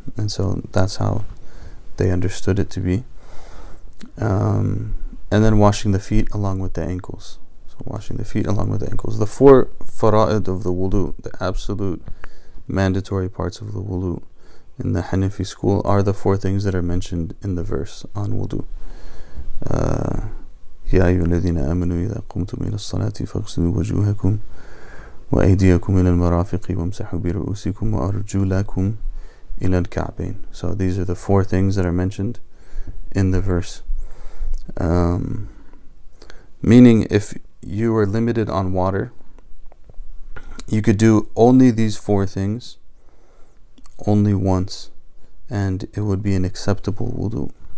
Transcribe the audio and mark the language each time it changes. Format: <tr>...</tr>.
<en>And so that's how they understood it to be. And then washing the feet along with the ankles. So washing the feet along with the ankles. The four fara'id of the wudu, the absolute mandatory parts of the wudu in the Hanafi school, are the four things that are mentioned in the verse on wudu.</en> <ar>يا أيها الذين آمنوا إذا قمتم إلى الصلاة فاغسلوا وجوهكم وأيديكم إلى المرافق وامسحوا برؤوسكم وأرجلكم إلى الكعبين.</ar> <en>So these are the four things that are mentioned in the verse. Meaning, if you were limited on water, you could do only these four things, only once, and it would be an acceptable wudu.</en>